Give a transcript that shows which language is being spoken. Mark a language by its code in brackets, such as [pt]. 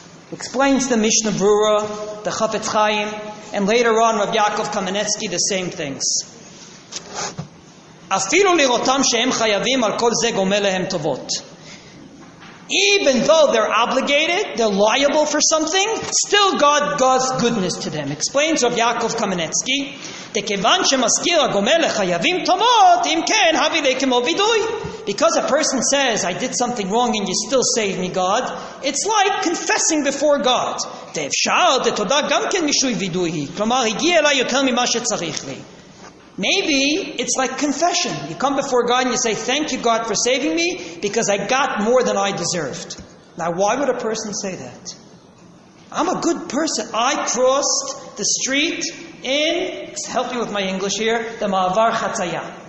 [en] Explains the Mishnah Brura, the Chafetz Chaim, and later on Rav Yaakov Kamenetsky the same things. [he] Afilu lirotam shehem chayavim al kol ze gomel lehem tovot. [en] Even though they're obligated, they're liable for something, still God's goodness to them. Explains [he] Rav Yaakov Kamenetsky, דכיוון שמזכיר הגומל לחייבים טובות, אם כן, הבי לי כמו בידוי. [en] Because a person says, I did something wrong and you still save me, God, it's like confessing before God. [he] דאפשר, דתודה גם כן משוי בידוי היא. כלומר, הגיע אליי יותר ממה שצריך לי. [en] Maybe it's like confession. You come before God and you say, thank you, God, for saving me because I got more than I deserved. Now, why would a person say that? I'm a good person. I crossed the street in, help me with my English here, the Ma'avar Chatzaya.